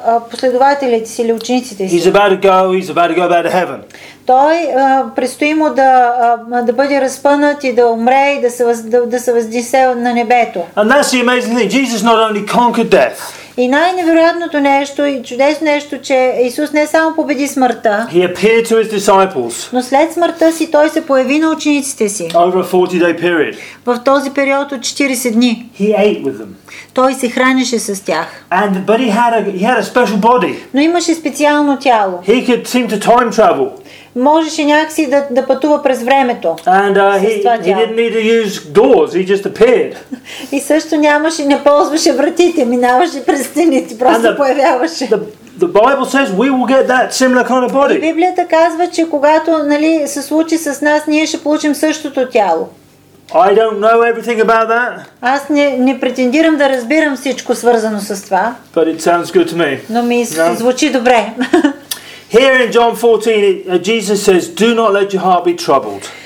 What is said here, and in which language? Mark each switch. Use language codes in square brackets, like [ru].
[bg] последователите си или учениците си. [en] He's about to go back to heaven. [bg] Той предстои му да да бъде разпънат и да умре и да се да се възнесе на небето. [en] And that's the amazing thing. Jesus not only conquered death. [bg] И най-невероятното нещо и чудесно нещо, че Исус не само победи смъртта, [en] He appeared to his disciples. [bg] Но след смъртта си той се появи на учениците си. [en] Over a 40-day period. [bg] В този период от 40 дни. [en] He ate with them. [bg] Той се хранеше с тях. [en] And, but he had a special body. [bg] Но имаше специално тяло. [en] He could seem to time travel. [bg] Можеше някакси да пътува през времето. [en] And he didn't need to use doors, he just appeared. [bg] И също нямаше, не ползваше вратите, минаваше през стените, просто появяваше. [en] The Bible says we will get that similar kind of body. [bg] И Библията казва, че когато, нали, се случи с нас, ние ще получим същото тяло. [en] I don't know everything about that. [bg] Аз не претендирам да разбирам всичко свързано с това. [en] But it sounds good to me. [bg] Но ми звучи добре. [en] Here in John 14, Jesus says, "Do not let your heart be troubled."